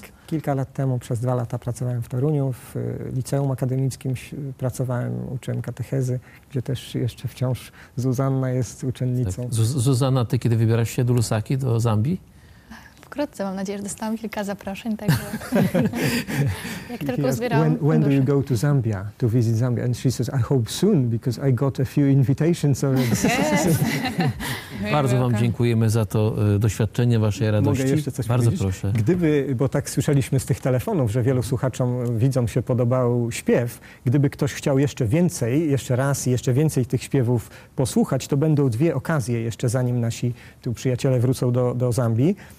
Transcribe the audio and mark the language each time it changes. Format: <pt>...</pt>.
<pl>Tak, kilka lat temu, przez dwa lata pracowałem w Toruniu, w liceum akademickim pracowałem, uczyłem katechezy, gdzie też jeszcze wciąż Zuzanna jest uczennicą. Tak. Zuzanna, ty kiedy wybierasz się do Lusaki, do Zambii? Wkrótce, mam nadzieję, że dostałam kilka zaproszeń, tak. Jak tylko zbierałam.</pl> <en>When do you go to Zambia, to visit Zambia? And she says, I hope soon, because I got a few invitations already.</en> <pl>Bardzo wam dziękujemy za to doświadczenie, waszej radości. Mogę jeszcze coś bardzo powiedzieć? Proszę. Gdyby, bo tak słyszeliśmy z tych telefonów, że wielu słuchaczom, widzom się podobał śpiew, gdyby ktoś chciał jeszcze więcej, jeszcze raz i jeszcze więcej tych śpiewów posłuchać, to będą dwie okazje jeszcze, zanim nasi tu przyjaciele wrócą do Zambii.</pl>